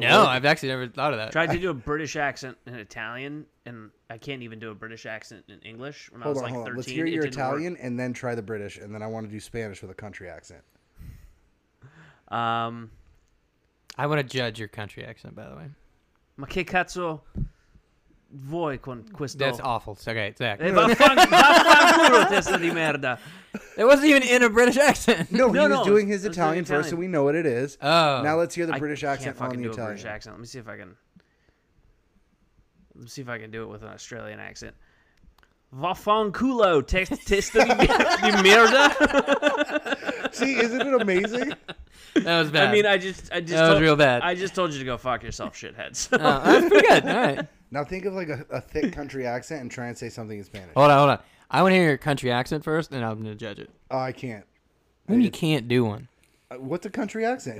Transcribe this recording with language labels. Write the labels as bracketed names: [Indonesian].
[English] I've actually never thought of that. Tried to do a British accent in Italian, and I can't even do a British accent in English. Hold on. 13, let's hear your Italian, work. And then try the British, and then I want to do Spanish with a country accent. I want to judge your country accent, by the way. [Italian] Ma che cazzo vuoi con questo? [English] That's awful. Okay, Zach. [Italian] Vaffanculo, testa di merda. [English] It wasn't even in a British accent. No, he was doing his Italian first, so we know what it is. Oh. Now let's hear the British accent on the Italian. I can't fucking do a British accent. Let me see if I can... Let's see if I can do it with an Australian accent. [Italian] Vaffanculo, testa di merda. [English] See, isn't it amazing? That was bad. I mean, I just that was real bad. I just told you to go fuck yourself, shitheads. Oh, that's pretty good. All right. Now think of like a thick country accent and try and say something in Spanish. Hold on, hold on. I want to hear your country accent first, and I'm going to judge it. Oh, I can't. You can't do one. What's a country accent?